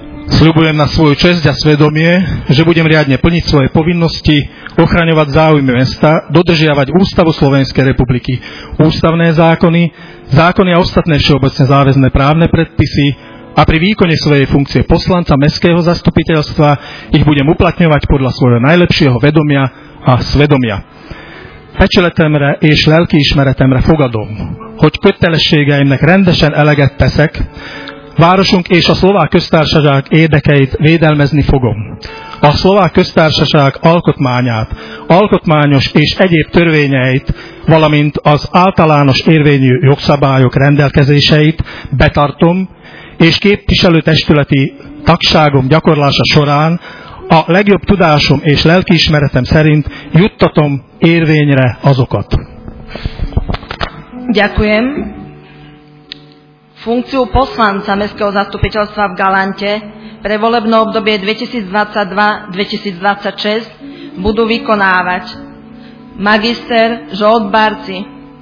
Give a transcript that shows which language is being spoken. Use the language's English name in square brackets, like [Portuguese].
[Slovak] Sľubujem na svoju česť a svedomie, že budem riadne plniť svoje povinnosti, ochraňovať záujmy mesta, dodržiavať Ústavu Slovenskej republiky, ústavné zákony, zákony a ostatné všeobecne záväzné právne predpisy a pri výkone svojej funkcie poslanca mestského zastupiteľstva ich budem uplatňovať podľa svojho najlepšieho vedomia a svedomia. [Hungarian] Pecseletemre és lelki ismeretemre fogadom, hogy kötelességeimnek rendesen eleget teszek, városunk és a Szlovák Köztársaság érdekeit védelmezni fogom. A Szlovák Köztársaság alkotmányát, alkotmányos és egyéb törvényeit, valamint az általános érvényű jogszabályok rendelkezéseit betartom, és képviselőtestületi tagságom gyakorlása során a legjobb tudásom és lelkiismeretem szerint juttatom érvényre azokat. [Slovak] Ďakujem. Funkciu poslanca mestského zastupiteľstva v Galante pre volebné obdobie 2022-2026 budú vykonávať magister Žolt Barci,